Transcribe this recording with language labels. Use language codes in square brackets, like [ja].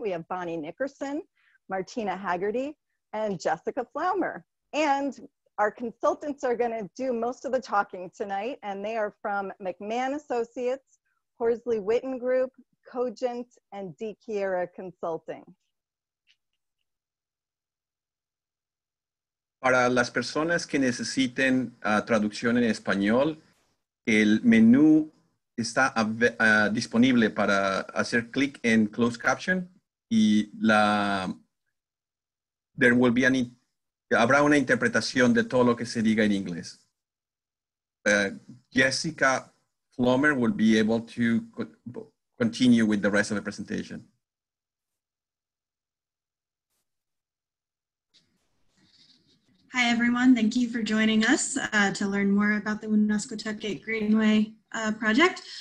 [en] We have Bonnie Nickerson, Martina Haggerty, and Jessica Flaumer. And our consultants are gonna do most of the talking tonight, and they are from McMahon Associates, Horsley Witten Group, Cogent, and De Chiara Consulting. [es] Para las personas que necesiten traducción en español, el menú está disponible para hacer clic en closed caption y habrá una interpretación de todo lo que se diga en inglés. [en] Jessica Flaumer will be able to continue with the rest of the presentation. Hi, everyone. Thank you for joining us to learn more about the Woonasquatucket Greenway project.